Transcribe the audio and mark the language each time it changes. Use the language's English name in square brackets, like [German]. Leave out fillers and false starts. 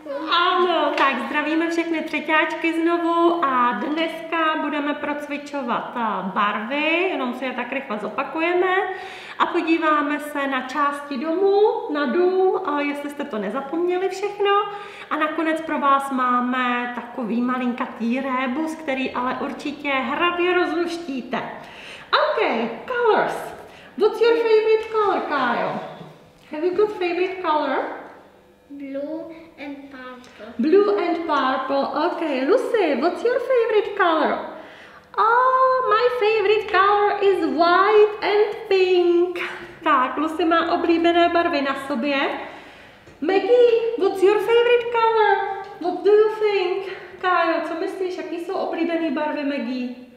[Czech] Ano, tak zdravíme všechny třetíáčky znovu a dneska budeme procvičovat barvy, jenom si je tak rychle zopakujeme a podíváme se na části domu, na dům, jestli jste to nezapomněli všechno. A nakonec pro vás máme takový malinkatý rébus, který ale určitě hravě rozluštíte. [English] OK, colors. What's your favorite color, Kyle? Have you got favorite color? Blue and purple. Blue and purple. Okay, Lucy, what's your favorite color? Oh, my favorite color is white and pink. [Czech] Tak, Lucy má oblíbené barvy na sobě. [English] Maggie, what's your favorite color? What do you think? [Czech] Kyle, co myslíš, jaký jsou oblíbené barvy Maggie?